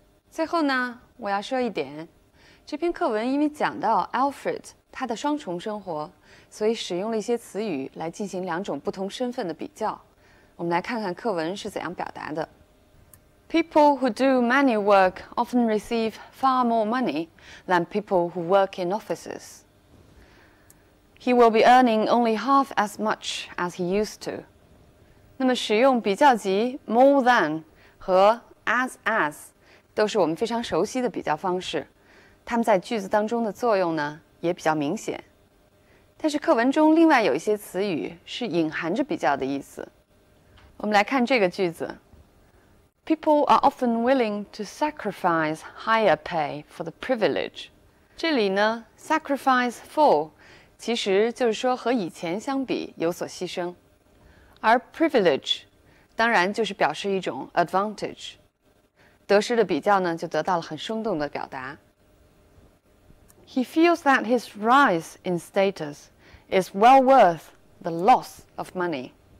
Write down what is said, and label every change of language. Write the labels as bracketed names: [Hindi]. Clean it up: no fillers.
[Chinese] 最后呢，我要说一点，这篇课文因为讲到 Alfred 他的双重生活，所以使用了一些词语来进行两种不同身份的比较。我们来看看课文是怎样表达的。 [English] People who do manual work often receive far more money than people who work in offices. He will be earning only half as much as he used to. [Chinese] 那么使用比较级 more than 和 as 都是我们非常熟悉的比较方式，它们在句子当中的作用呢也比较明显。但是课文中另外有一些词语是隐含着比较的意思。我们来看这个句子。 [English] People are often willing to sacrifice higher pay for the privilege. [Chinese] 这里呢 ,sacrifice for, 其实就是说和以前相比有所牺牲。而 privilege, 当然就是表示一种 advantage。得失的比较呢就得到了很生动的表达。 [English] He feels that his rise in status is well worth the loss of money.